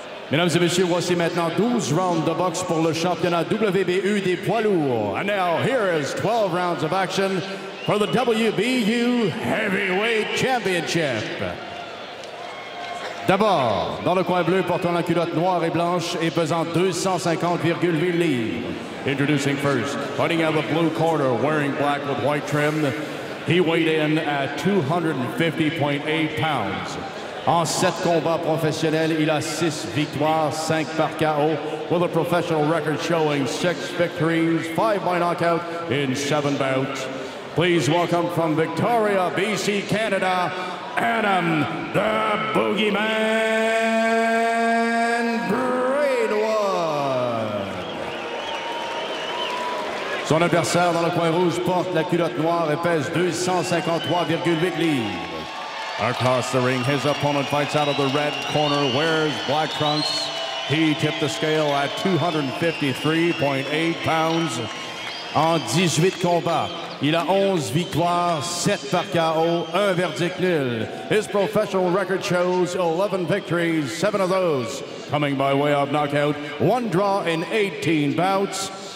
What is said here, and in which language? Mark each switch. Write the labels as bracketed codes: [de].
[fr] Mesdames et messieurs, voici maintenant 12 rounds de boxe pour le championnat WBU des poids lourds. [en] And now, here is 12 rounds of action for the WBU Heavyweight Championship. [fr] D'abord, dans le coin bleu, portant la culotte noire et blanche et pesant 250,8 livres. [en] Introducing first, fighting out of the blue corner, wearing black with white trim, he weighed in at 250.8 pounds. [fr] En 7 combats professionnels, il a 6 victoires, 5 par KO, [en] with a professional record showing 6 victories, 5 by knockout in 7 bouts. Please welcome from Victoria, BC, Canada, Adam the Boogeyman Brainwood. [fr] Son adversaire dans le coin rouge porte la culotte noire et pèse 253,8 livres. [en] Across the ring, his opponent fights out of the red corner, wears black trunks. He tipped the scale at 253.8 pounds. [fr] En 18 combats, il a 11 victoires, 7 par KO, 1 verdict nil. [en] His professional record shows 11 victories, 7 of those coming by way of knockout, 1 draw in 18 bouts.